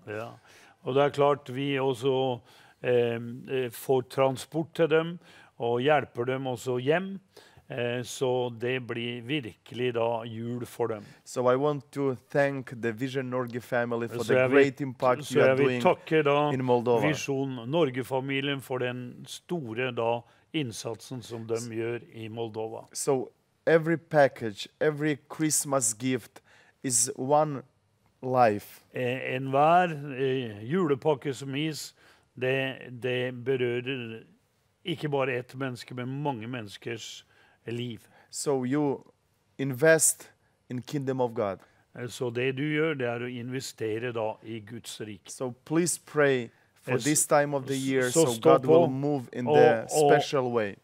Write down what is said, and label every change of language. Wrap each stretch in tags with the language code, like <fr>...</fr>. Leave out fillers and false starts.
<no>Yeah, og det er klart vi også får transport til dem og hjelper dem også hjem, så det blir virkelig da jul for dem.</no> <en>So I want to thank the Vision Norge family for the great impact you are doing in Moldova.</en> <no>Så jeg vil takke da Vision Norge-familien for den store da innsatsen som de gjør i Moldova.</no> <en>So every package, every Christmas gift is one life.</en> <no>Enhver julepakke som gis, det berører ikke bare ett menneske, men mange menneskers liv.</no> <en>So you invest in kingdom of God.</en> <no>Så det du gjør, det er å investere da i Guds rike.</no> <en>So please pray for this time of the year so God will move in the special way.</en>